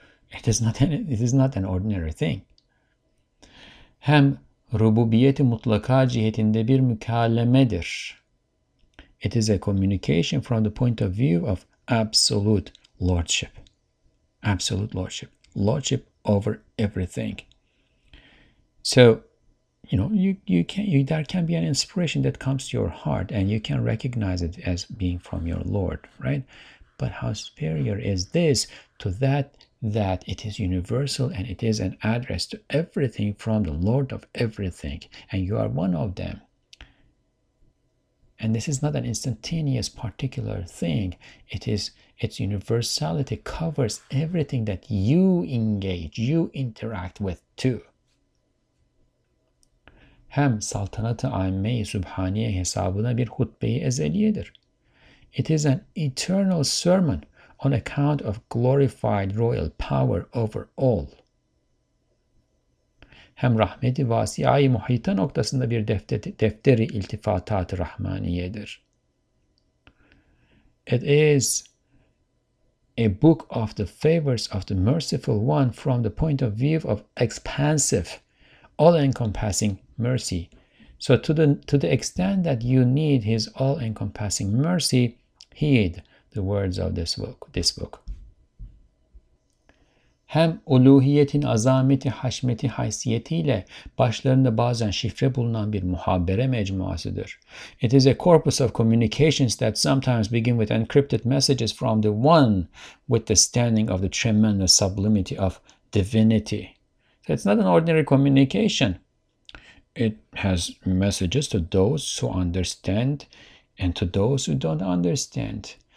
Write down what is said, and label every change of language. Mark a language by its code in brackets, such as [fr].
[en] It is not an ordinary thing. [tr] Hem rububiyeti mutlaka cihetinde bir mükalemedir. [en] It is a communication from the point of view of absolute lordship. Absolute lordship. Lordship over everything. So, you know, there can be an inspiration that comes to your heart and you can recognize it as being from your Lord, right? But how superior is this to that it is universal and it is an address to everything from the Lord of everything, and you are one of them. And this is not an instantaneous particular thing. It is, its universality covers everything that you engage, you interact with too. [tr] Hem saltanat-ı aime-i subhaniye hesabına bir hutbe-i ezeliyedir. [en] It is an eternal sermon on account of glorified royal power over all. [tr] Hem rahmeti vasiyayı muhita noktasında bir defteri iltifatat-ı rahmaniyedir. [en] It is a book of the favors of the merciful one from the point of view of expansive, all-encompassing mercy. So to the extent that you need His all-encompassing mercy, heed the words of this book. [tr] Hem uluhiyetin azameti, haşmeti, haysiyetiyle başlarında bazen şifre bulunan bir muhabere mecmuasıdır. [en] It is a corpus of communications that sometimes begin with encrypted messages from the one with the standing of the tremendous sublimity of divinity. So it's not an ordinary communication. It has messages to those who understand and to those who don't understand.